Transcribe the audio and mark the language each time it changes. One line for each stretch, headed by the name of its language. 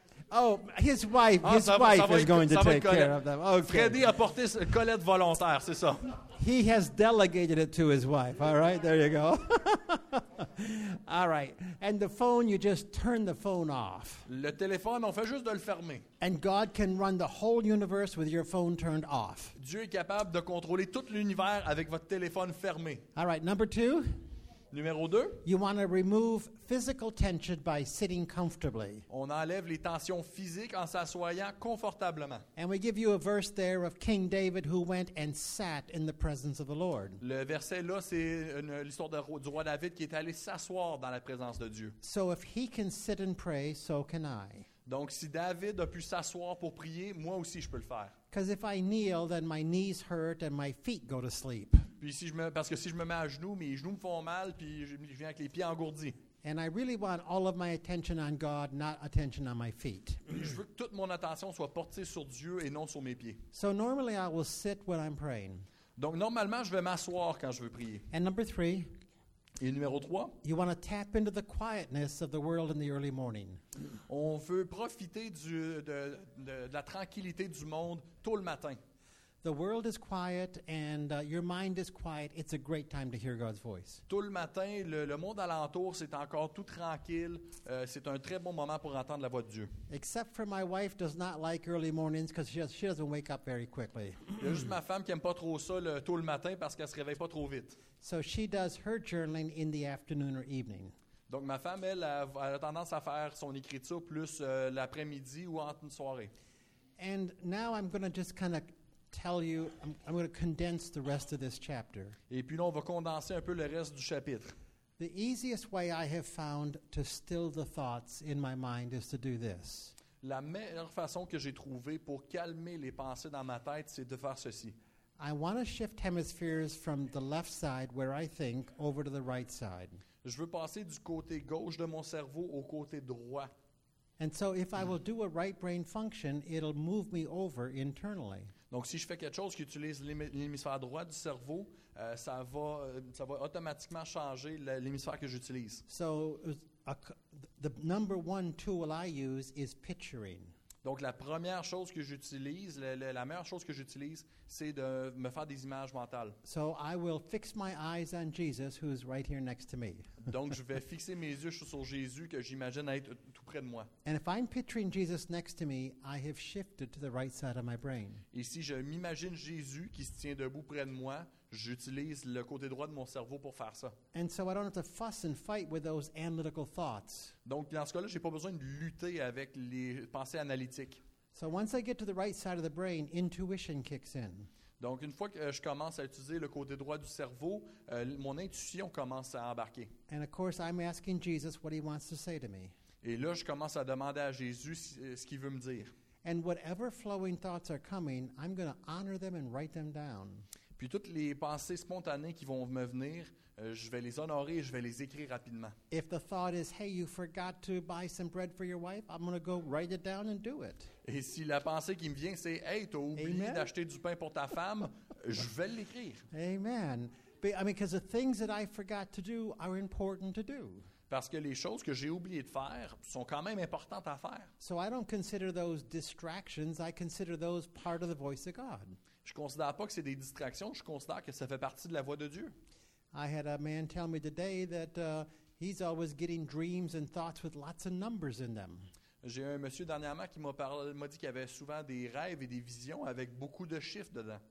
English: Oh, his wife is going to take care of them. Okay.
French: Freddy a porté Colette volontaire, c'est ça.
English: He has delegated it to his wife. All right, there you go. All right. And the phone, you just turn the phone off.
French: Le téléphone, on fait juste de le fermer.
English: And God can run the whole universe with your phone turned off.
French: Dieu est capable de contrôler tout l'univers avec votre téléphone fermé.
English: All right, number two.
French: Numéro deux.
English: You want to remove physical tension by sitting comfortably.
French: On enlève les tensions physiques en s'assoyant confortablement.
English: And we give you a verse there of King David who went and sat in the presence of the Lord.
French: Le verset là, c'est l'histoire du roi David qui est allé s'asseoir dans la présence de Dieu.
English: So if he can sit and pray, so can I.
French: Donc si David a pu s'asseoir pour prier, moi aussi je peux le faire.
English: Because if I kneel, then my knees hurt and my feet go to sleep.
French: Puis si je me mets à genoux, mes genoux me font mal, puis je viens avec les pieds engourdis.
English: And I really want all of my attention on God, not attention on my feet.
French: Je veux que toute mon attention soit portée sur Dieu et non sur mes pieds.
English: So normally I will sit when I'm praying.
French: Donc normalement je vais m'asseoir quand je veux prier.
English: And number three.
French: Et numéro 3.
English: You want to tap into the quietness of the world in the early morning.
French: On veut profiter de la tranquillité du monde tôt le matin. The world is quiet and your mind is quiet. It's a great time to hear God's voice. Tôt le matin, le monde alentour, c'est encore tout tranquille. C'est un très bon moment pour entendre la voix de Dieu.
English: Except for my wife does not like early mornings because she doesn't wake up very quickly.
French: Il y a juste ma femme qui n'aime pas trop ça tôt le matin parce qu'elle ne se réveille pas trop vite.
English: So she does her journaling in the afternoon or evening.
French: Donc ma femme, elle a tendance à faire son écriture plus l'après-midi ou entre une soirée.
English: And now I'm going to just kind of tell you, I'm going to condense the rest of this chapter.
French: Et puis là, on va condenser un peu le reste du chapitre.
English: The easiest way I have found to still the thoughts in my mind is to do this.
French: La meilleure façon que j'ai trouvée pour calmer les pensées dans ma tête, c'est de faire ceci.
English: I want to shift hemispheres from the left side where I think over to the right side.
French: Je veux passer du côté gauche de mon cerveau au côté droit.
English: And so if I will do a right brain function, it'll move me over internally.
French: Donc si je fais quelque chose qui utilise l'hémisphère droit du cerveau, ça va automatiquement changer l'hémisphère que j'utilise.
English: So the number one tool I use is picturing.
French: Donc la première chose que j'utilise, la meilleure chose que j'utilise, c'est de me faire des images mentales.
English: So I will fix my eyes on Jesus, who's right here next to me.
French: Donc je vais fixer mes yeux sur Jésus que j'imagine être tout près de moi.
English: And if I'm picturing Jesus next to me, I have shifted to the right side of my brain.
French: Et si je m'imagine Jésus qui se tient debout près de moi, j'utilise le côté droit de mon cerveau pour faire ça.
English: And so I don't have to fuss and fight with those analytical thoughts.
French: Donc dans ce cas-là, j'ai pas besoin de lutter avec les pensées analytiques.
English: So once I get to the right side of the brain, intuition kicks in.
French: Donc une fois que je commence à utiliser le côté droit du cerveau, mon intuition commence à embarquer.
English: And of course, I'm asking Jesus what he wants to say to me.
French: Et là, je commence à demander à Jésus ce qu'il veut me dire.
English: And whatever flowing thoughts are coming, I'm going to honor them and write them down.
French: Puis toutes les pensées spontanées qui vont me venir, je vais les honorer et je vais les écrire rapidement.
English: If the thought is, hey, you forgot to buy some bread for your wife, I'm going to go write it down and do it.
French: Et si la pensée qui me vient, c'est, hey, t'as oublié Amen. D'acheter du pain pour ta femme, je vais l'écrire. Amen.
English: But, I mean, because the things that I forgot to do are important to do.
French: Parce que les choses que j'ai oublié de faire sont quand même importantes à faire.
English: So I don't consider those distractions, I consider those part of the voice of God.
French: Je ne considère pas que c'est des distractions, je considère que ça fait partie de la voix de Dieu.
English: I had a man tell me today that he's always getting dreams and thoughts with lots of numbers in them.
French: J'ai un monsieur dernièrement qui m'a dit qu'il avait souvent des rêves et des visions avec beaucoup de chiffres dedans.